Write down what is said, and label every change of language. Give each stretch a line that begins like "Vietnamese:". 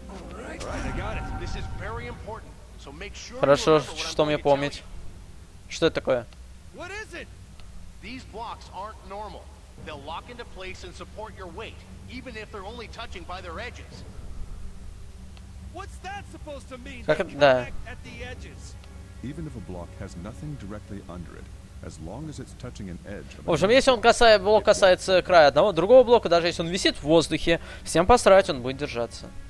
Russian: Right, хорошо, что мне помнить. Что это такое?
English: What is it? These blocks aren't normal. They'll lock into place and support your weight, even if they're only touching by their edges. What's that supposed to mean?
Russian: Как это, да.
English: At the edges. Even if a block has nothing directly under it, as long as it's touching an edge.
Russian: В общем, если он касается блок касается края одного другого блока, даже если он висит в воздухе, всем посрать, он будет держаться.